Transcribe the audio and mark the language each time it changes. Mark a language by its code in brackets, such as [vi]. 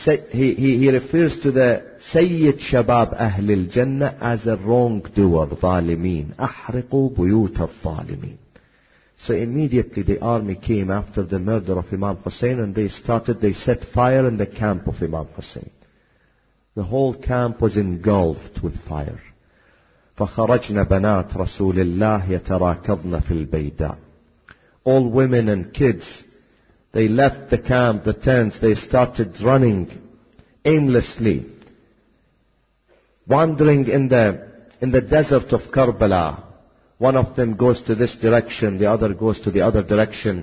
[en] He refers to the Sayyid Shabab Ahlul Jannah as a wrongdoer, Zalimeen. [ar] أحرقوا بيوت الظالمين. [en] So immediately the army came after the murder of Imam Hussein, and they set fire in the camp of Imam Hussein. The whole camp was engulfed with fire. [ar] فخرجنا بنات رسول الله يتراكضن في البيداء. [en] All women and kids, they left the camp, the tents, they started running aimlessly, wandering in the desert of Karbala. One of them goes to this direction, the other goes to the other direction.